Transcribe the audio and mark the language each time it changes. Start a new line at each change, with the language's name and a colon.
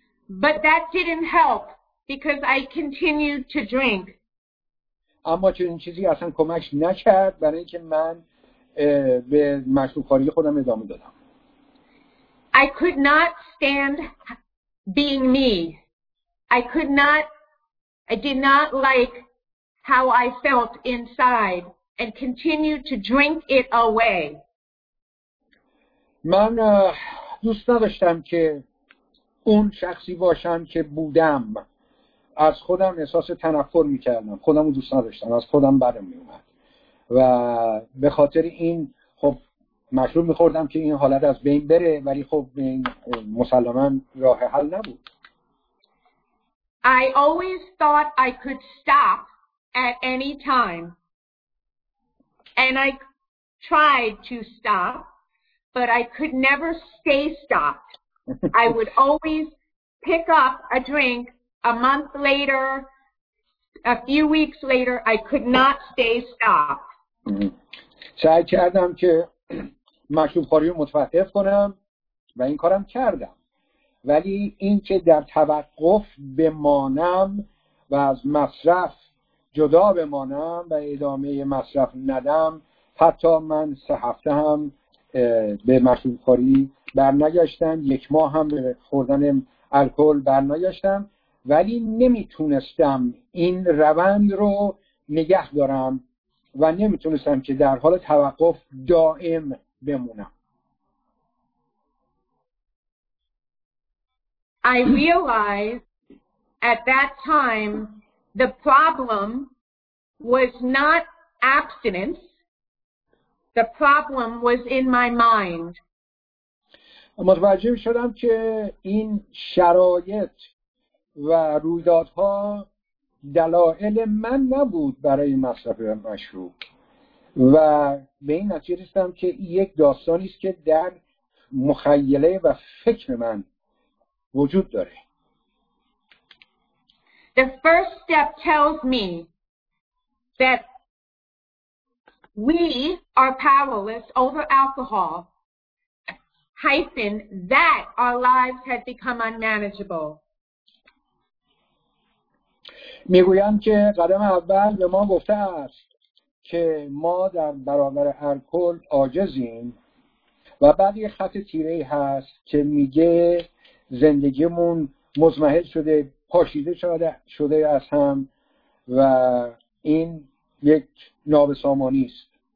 English: But that didn't help because I continued to drink.
Persian: اما چنین چیزی اصلا کمک نکرد برای اینکه من به مشروب‌خوری خودم ادامه دادم.
English: I could not stand being me. I did not like how I felt inside and continued to drink it away.
Persian: من دوست نداشتم که اون شخصی باشم که بودم. از خودم احساس تنفر میکردم. خودم رو دوست نداشتم. از خودم بدم میومد. و به خاطر این خب مشروب میخوردم که این حالت از بین بره ولی خب این مسلماً راه حل نبود.
English: I always thought I could stop at any time. And I tried to stop, but I could never stay stopped. I would always pick up a drink a month later, a few weeks later, I could not stay stopped.
Persian: سعی کردم که مشروب خوری رو متوقف کنم و این کارم کردم. ولی این که در توقف بمانم و از مصرف جدا بمانم و ادامه مصرف ندم، حتی من 3 هفته هم به مشروب خوری برنگشتم، 1 ماه هم به خوردن الکل برنگشتم، ولی نمیتونستم این روند رو نگه دارم و نمیتونستم که در حال توقف دائم بمونم.
English: I realized at that time the problem was not abstinence. The problem was in my mind.
Persian: متوجه شدم که این شرایط و رویدادها دلایل من نبود برای مصرف مشروب و به این نتیجه رسیدم که یک داستانی است که در مخیله و فکر من وجود داره.
English: The first step tells me that we are powerless over alcohol hyphen that our lives had become unmanageable.
Persian: میگویند که قدم اول به ما گفته است که ما در برابر الکل عاجزیم و بعد یه خط تیره‌ای هست که میگه زندگیمون مزمحل شده، پاشیده شده از هم و این یک نابسامانی است.